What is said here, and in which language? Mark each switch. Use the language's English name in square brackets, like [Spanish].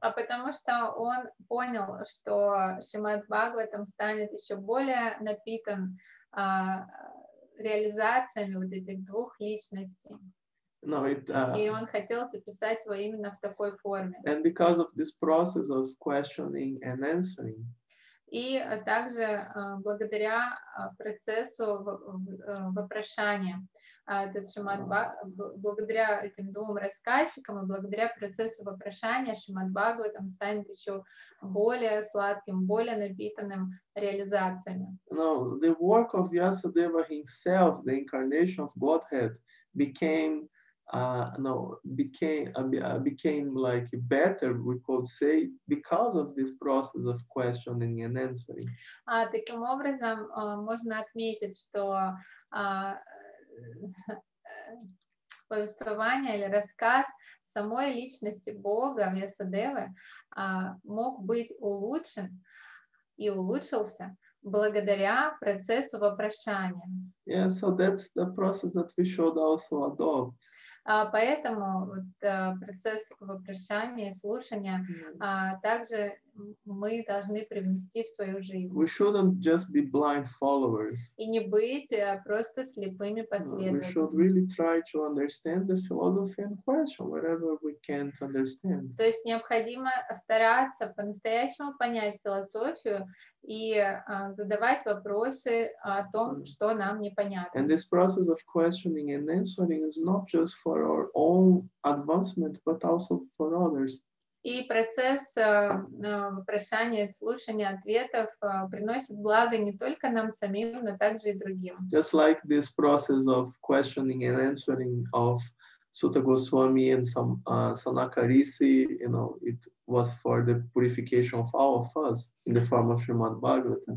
[Russian] А потому что он понял, что Шримад Бхагаватам станет еще более напитан реализациями вот этих двух личностей. [English] No, it, [Russian] и он хотел записать его именно в такой форме. [English] And because of this process of questioning and answering. [Russian] И также благодаря процессу вопрошания. Благодаря этим двум рассказчикам и благодаря процессу вопрошания Шримад Бхагаватам станет еще более сладким, более напитанным реализациями. [English] No, the work of Vyasadeva himself, the incarnation of Godhead, became like better, we could say, because of this process of questioning and answering. [Russian] Таким образом, можно отметить, что повествование или рассказ самой личности Бога Вьясадевы мог быть улучшен и улучшился благодаря процессу вопрошания. [English] Yeah, so that's the process that we should also adopt. [Russian] Поэтому вот, процесс вопрошания и слушания также мы должны привнести в свою жизнь. [English] We shouldn't just be blind followers. [Russian] И не быть просто слепыми последователями. [English] We should really try to understand the philosophy in question, whatever we can't understand. [Russian] То есть необходимо стараться по-настоящему понять философию и задавать вопросы о том, что нам непонятно. [English] And this process of questioning and answering is not just for our own advancement, but also for others. [Russian] И процесс вопрошания, слушания ответов приносит благо не только нам самим, но также и другим. [English] Just like this process of questioning and answering of Sutta Goswami and Sanakarisi, you know, it was for the purification of all of us in the form of Srimad Bhagavatam.